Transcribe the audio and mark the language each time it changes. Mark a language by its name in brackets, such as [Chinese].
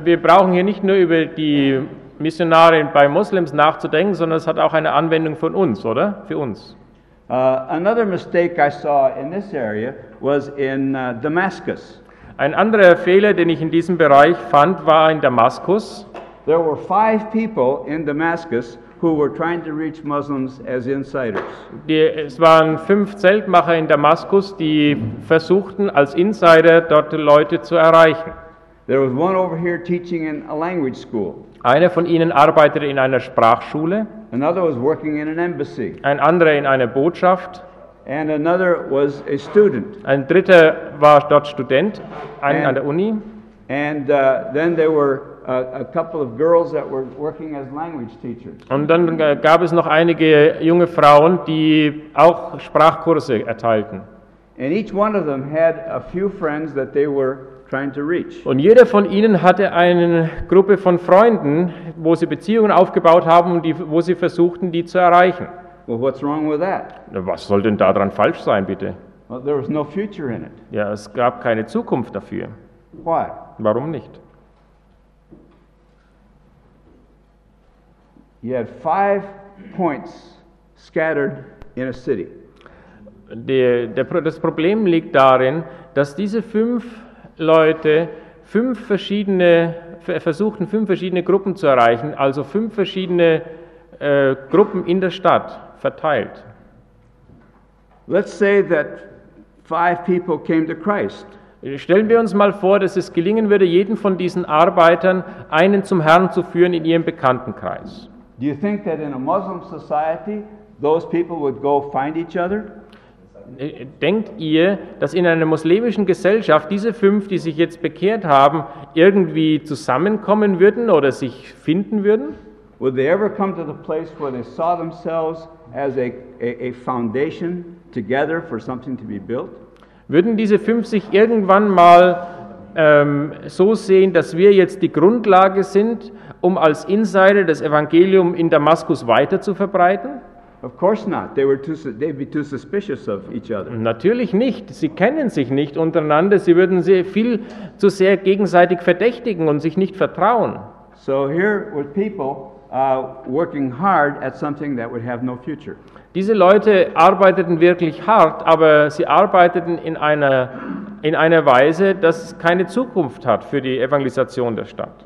[German] Wir brauchen hier nicht nur über die Missionare bei Muslims nachzudenken, sondern es hat auch eine Anwendung von uns, oder? Für uns. [English] Another mistake I saw in this area was in Damascus. [German] Ein anderer Fehler, den ich in diesem Bereich fand, war in Damaskus. [English] There were 5 people in Damascus who were trying to reach Muslims as insiders. [German] Es waren 5 Zeltmacher in Damaskus, die versuchten, als Insider dort Leute zu erreichen. [English] There was one over here teaching in a language school. [German] Einer von ihnen arbeitete in einer Sprachschule. [English] Another was working in an embassy. [German] Ein anderer in einer Botschaft. [English] And another was a student. [German] Ein dritter war dort Student, an der Uni. [English] And then there were a couple of girls that were working as language teachers. [German] Und dann gab es noch einige junge Frauen, die auch Sprachkurse erteilten. [English] And each one of them had a few friends that they were trying to reach. [German] Und jeder von ihnen hatte eine Gruppe von Freunden, wo sie Beziehungen aufgebaut haben und wo sie versuchten, die zu erreichen. [English] Well, what's wrong with that? [German] Was soll denn daran falsch sein, bitte? [English] Well, there was no future in it. [German] Ja, es gab keine Zukunft dafür. [English] Why? [German] Warum nicht? [English] You had 5 points scattered in a city. [German] Das Problem liegt darin, dass diese 5 Leute 5 verschiedene versuchten 5 verschiedene Gruppen zu erreichen, also 5 verschiedene Gruppen in der Stadt verteilt. [English] Let's say that 5 people came to Christ. [German] Stellen wir uns mal vor, dass es gelingen würde, jeden von diesen Arbeitern einen zum Herrn zu führen in ihrem Bekanntenkreis. [English] Do you think that in a Muslim society those people would go find each other? [German] Denkt ihr, dass in einer muslimischen Gesellschaft diese fünf, die sich jetzt bekehrt haben, irgendwie zusammenkommen würden oder sich finden würden? [English] Would they ever come to the place where they saw themselves as a foundation together for something to be built? [German] Würden diese fünf sich irgendwann mal so sehen, dass wir jetzt die Grundlage sind, um als Insider das Evangelium in Damaskus weiter zu verbreiten? [English] Of course not. They'd be too suspicious of each other. [German] Natürlich nicht. Sie kennen sich nicht untereinander. Sie würden sehr viel zu sehr gegenseitig verdächtigen und sich nicht vertrauen. [English] So here were people working hard at something that would have no future. [German] Diese Leute arbeiteten wirklich hart, aber sie arbeiteten in einer Weise, dass es keine Zukunft hat für die Evangelisation der Stadt.